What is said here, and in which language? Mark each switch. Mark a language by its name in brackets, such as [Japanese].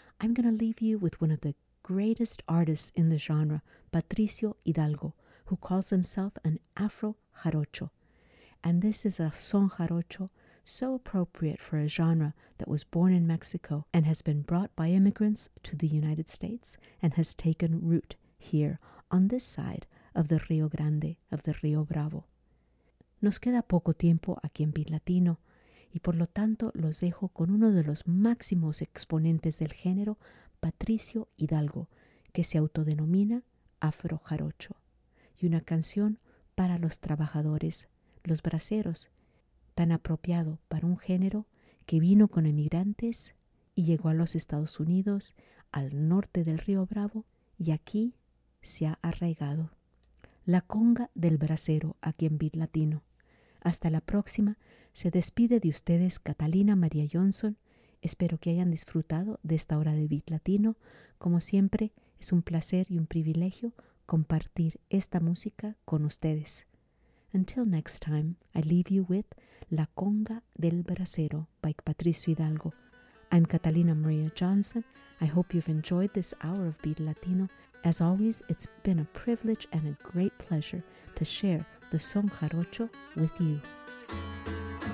[English] I'm going to leave you with one of the greatest artists in the genre, Patricio Hidalgo, who calls himself an Afro-Jarocho. And this is a Son Jarocho so appropriate for a genre that was born in Mexico and has been brought by immigrants to the United States and has taken root here on this side of the Rio Grande, of the Rio Bravo. [Spanish] Nos queda poco tiempo aquí en Beat Latino y por lo tanto los dejo con uno de los máximos exponentes del género, Patricio Hidalgo, que se autodenomina Afro Jarocho, y una canción para los trabajadores, los braceros, tan apropiado para un género que vino con emigrantes y llegó a los Estados Unidos, al norte del Río Bravo, y aquí se ha arraigado. La conga del brasero aquí en Beat Latino. Hasta la próxima. Se despide de ustedes Catalina María Johnson. Espero que hayan disfrutado de esta hora de Beat Latino. Como siempre, es un placer y un privilegio compartir esta música con ustedes. [English] Until next time, I leave you with La conga del brasero by Patricio Hidalgo. I'm Catalina María Johnson. I hope you've enjoyed this hour of Beat Latino. As always, it's been a privilege and a great pleasure to share the Son Jarocho with you.